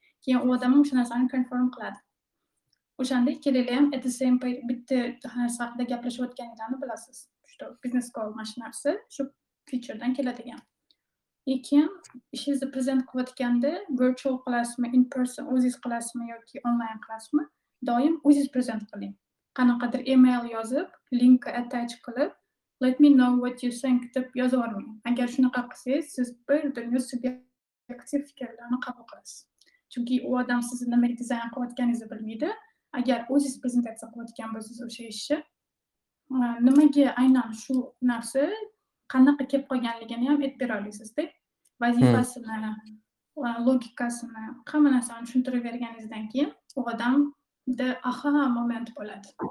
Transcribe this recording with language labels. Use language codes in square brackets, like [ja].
[uz] Keyin u odam o'sha narsani confirm qiladi. O'shanda ikkalangiz ham [en] at the same page [uz] bitta narsa haqida gaplashayotganingizni bilasiz. Shu business goal mashinasi shu featuredan keladigan. Keyin ishingizni present qilayotganda virtual qilasizmi, [en] in person [uz] o'zingiz qilasizmi yoki onlayn qilasizmi, doim o'zingiz present qiling. Qanaqadir email yozib, linkga attach qilib, [en] let me know what you think [uz] deb yozib yuboring. Agar shunaqa qilsangiz, siz bir dunyo subyektiv fikrlarni qabul qilasiz. Chunki u odam sizni nima dizayn qilayotganingizni bilmaydi. Agar o'zingiz prezentatsiya qilayotgan bo'lsangiz o'sha ishni, nimaga aynan shu narsa qanaqa kelib qolganligini ham aytib bera olasiz-da. Vazifasini, logikasini, hamma narsani tushuntirib berganingizdan keyin u odam de aha moment bo'ladi.